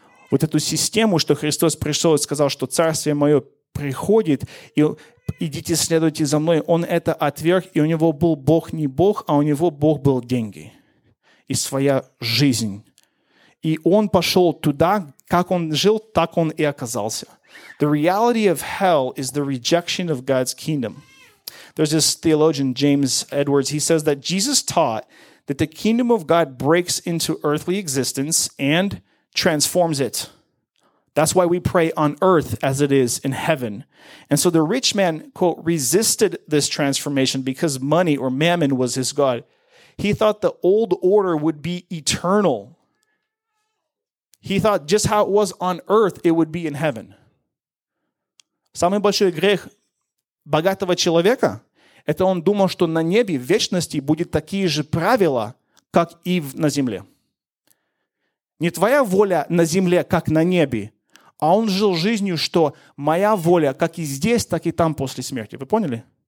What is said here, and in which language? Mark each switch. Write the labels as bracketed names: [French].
[Russian] Вот эту систему, что Христос пришел и сказал, что Царствие мое приходит, и идите, следуйте за мной, он это отверг, и у него был Бог не Бог, а у него Бог был деньги и своя жизнь. И он пошел туда, как он жил, так он и оказался. [English] The reality of hell is the rejection of God's kingdom. There's this theologian, James Edwards, he says that Jesus taught that the kingdom of God breaks into earthly existence and transforms it. That's why we pray on earth as it is in heaven. And so the rich man, quote, resisted this transformation because money or mammon was his God. He thought the old order would be eternal. He thought just how it was on earth, it would be in heaven. [Russian] Самый большой грех богатого человека – это он думал, что на небе в вечности будут такие же правила, как и на земле. Не твоя воля на земле, как на небе, а он жил жизнью, что моя воля как и здесь, так и там после смерти. Вы поняли?